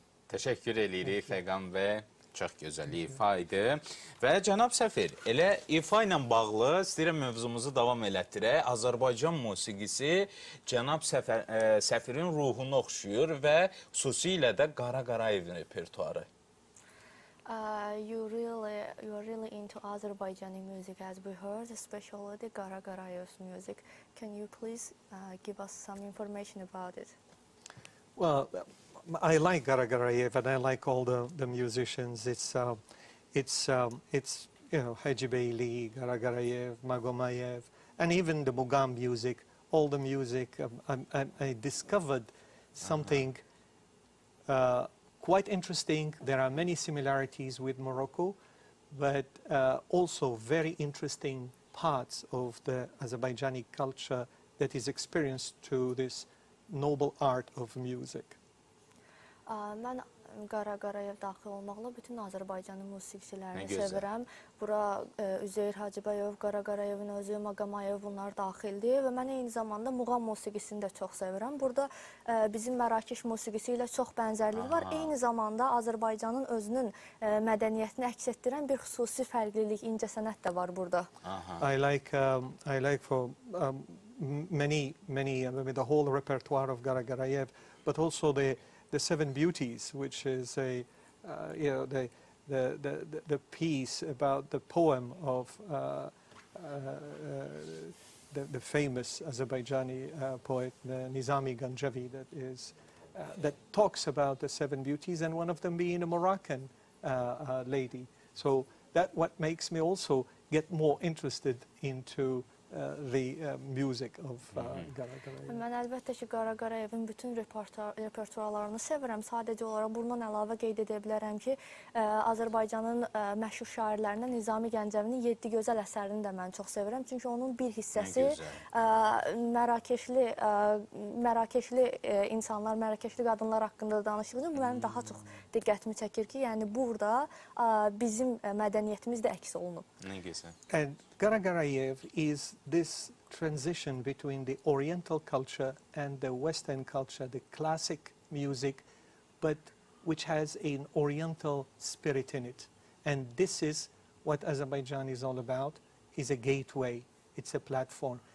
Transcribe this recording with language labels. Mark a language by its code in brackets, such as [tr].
[az] Təşəkkür edirik Fəqan bəy. Çox gözəl ifa idi. Və cənab səfir, elə ifa ilə bağlı istəyirəm mövzumuzu davam elətdirək. Azərbaycan musiqisi cənab səfirin ruhunu oxşuyur və xüsusilə də Qara Qarayev repertuarı. [en] You're really into Azerbaijani music, as we heard, especially the Qara Qarayev's music. Can you please give us some information about it? Well, I like Qara Qarayev, and I like all the musicians. It's you know, Hacı Beyli, Qara Qarayev, Magomayev, and even the Mugam music. All the music I discovered something. Quite interesting. There are many similarities with Morocco, but also very interesting parts of the Azerbaijani culture that is experienced to this noble art of music. [az] Mən Qara Qarayev daxil olmaqla bütün Azərbaycanın musiqiçilərini sevirəm. Bura Üzeyir Hacıbəyov, Qara Qarayevin özü, Maqamayev bunlar daxildir və mən eyni zamanda Muğam musiqisini də çox sevirəm. Burada bizim Mərakeş musiqisi ilə çox bənzərlik var. Eyni zamanda Azərbaycanın özünün mədəniyyətini əks etdirən bir xüsusi fərqlilik, incəsənət də var burada. [en] I like for many maybe the whole repertoire of Qara Qarayev, but also the Seven Beauties, which is a you know, the piece about the poem of the famous Azerbaijani poet Nizami Ganjavi, that is that talks about the Seven Beauties, and one of them being a Moroccan lady. So that what makes me also get more interested into the music of [az] Qara Qarayev. Mən əlbəttə ki, Qara Qarayevin bütün repertuarlarını sevirəm. Sadəcə olaraq bundan əlavə qeyd edə bilərəm ki, Azərbaycanın məşhur şairlərindən Nizami Gəncəvinin 7 gözəl əsərini də mən çox sevirəm. Çünki onun bir hissəsi Mərakeşli insanlar, Mərakeşli qadınlar haqqında danışıldığı üçün mənim daha çox diqqətimi çəkir ki, yəni burada bizim mədəniyyətimiz də əks olunub. [en] And Qara Qarayev is this transition between the Oriental culture and the Western culture, the classic music, but which has an Oriental spirit in it. And this is what Azerbaijan is all about. It's a gateway, it's a platform.